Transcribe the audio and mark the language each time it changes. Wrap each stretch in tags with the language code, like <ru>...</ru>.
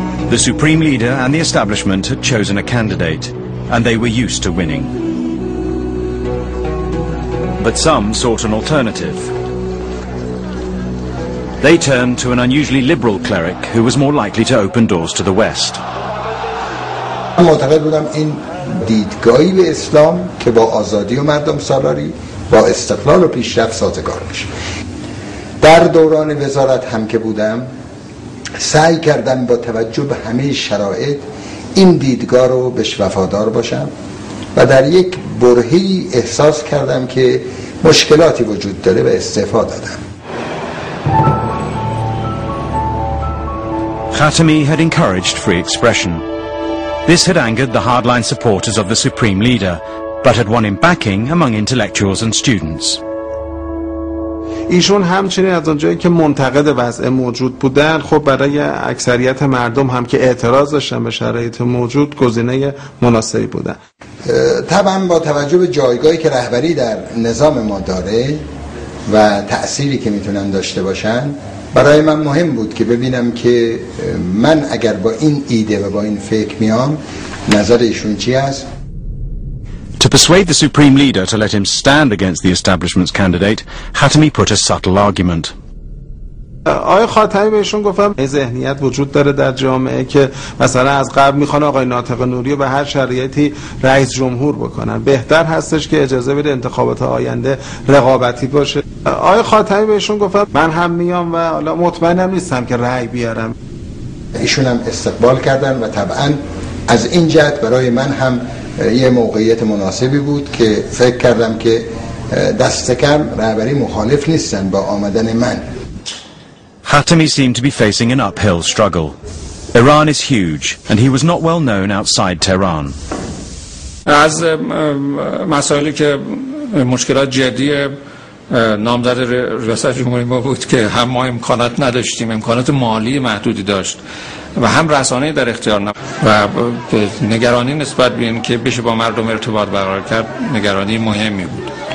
<en>The supreme leader and the establishment had chosen a candidate, and they were used to winning. But some sought an alternative. They turned to an unusually liberal cleric who was more likely to open doors to the West.</en> <fa>I معتقد بودم این دیدگاهی به اسلام که با آزادی و مردم سالاری با استقلال و پیشرفت سازگار میشه. در دوران وزارت هم که بودم سعی کردم با توجه به همه شرایط این دیدگاه رو بهش وفادار باشم و در یک برهی احساس کردم که مشکلاتی وجود داره و استعفا دادم.</fa> <en>Khatami had encouraged free expression. This had angered the hardline supporters of the supreme leader, but had won him backing among intellectuals and students.</en> <fa>ایشون همچنین از اونجایی که منتقد وضع موجود بودن، خب برای اکثریت مردم هم که اعتراض داشتن به شرایط موجود گزینه مناسبی بودن. طبعا با توجه به جایگاهی که رهبری در نظام ما داره و تأثیری که میتونن داشته باشن، برای من مهم بود که ببینم که من اگر با این ایده و با این فکر میام نظر ایشون چی است.</fa> <en>To persuade the supreme leader to let him stand against the establishment's candidate, Khatami put a subtle argument.</en> <fa>آقای خاتمی بهشون گفتم این ذهنیت وجود داره در جامعه که مثلا از قبل میخوان آقای ناطق نوری رو به هر شرایطی رئیس جمهور بکنن، بهتر هستش که اجازه بده انتخابات آینده رقابتی باشه. آقای خاتمی بهشون گفتم من هم میام و حالا مطمئنم نیستم که رأی بیارم. ایشون هم استقبال کردن و طبعا از این جهت برای من هم یه موقعیت مناسبی بود که فکر کردم که دست کم رهبری مخالف نیستن با آمدن من.</fa> <en>Khatami seemed to be facing an uphill struggle. Iran is huge and he was not well known outside Tehran.</en> <fa>از مسائلی که مشکلات جدی نامزد ریاست جمهوری ما بود که هم ما امکانات نداشتیم، امکانات مالی محدودی داشت و هم رسانه در اختیار نبود و نگرانی نسبت به این که بشه با مردم ارتباط برقرار کرد نگرانی مهمی بود.</fa>